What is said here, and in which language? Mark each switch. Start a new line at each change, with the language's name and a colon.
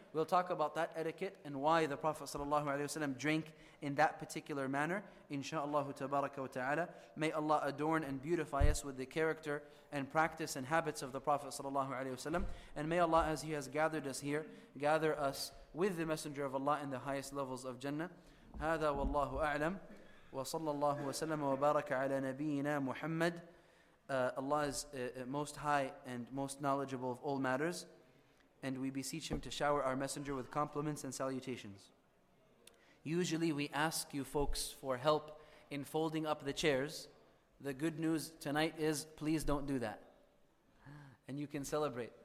English: We'll talk about that etiquette and why the Prophet ﷺ drank in that particular manner, inshaAllah tabaraka wa ta'ala. May Allah adorn and beautify us with the character and practice and habits of the Prophet ﷺ. And may Allah, as He has gathered us here, gather us with the Messenger of Allah in the highest levels of Jannah.
Arabic: هذا والله أعلم وصلى الله وسلم وبارك على نبينا محمد.
English: Allah is most high and most knowledgeable of all matters, and we beseech Him to shower our messenger with compliments and salutations. Usually we ask you folks for help in folding up the chairs. The good news tonight is, please don't do that. And you can celebrate.